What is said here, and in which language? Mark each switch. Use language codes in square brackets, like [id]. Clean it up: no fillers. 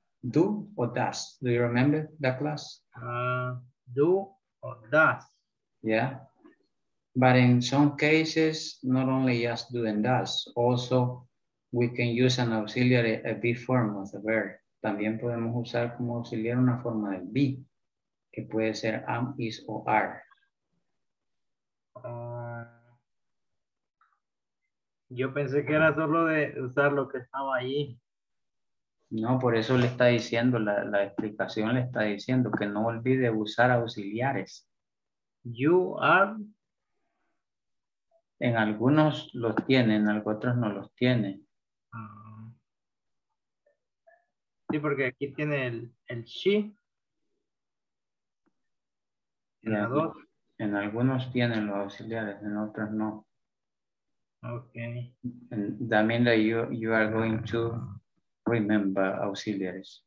[en] Do or does? Do you remember that class? Do or does? Yeah, but in some cases, not only just do and does, also we can use an auxiliary, a be form of the verb. [es] También podemos usar como auxiliar una forma del be, que puede ser am, is, o are. Yo pensé que era solo de usar lo que estaba ahí. No, por eso le está diciendo, la explicación le está diciendo que no olvide usar auxiliares. [en] You are. [es] En algunos los tiene, en otros no los tiene. Sí, porque aquí tiene el she. En la dos. En algunos tienen los auxiliares, en otros no. [en] Okay. And that means that you are going to remember auxiliaries.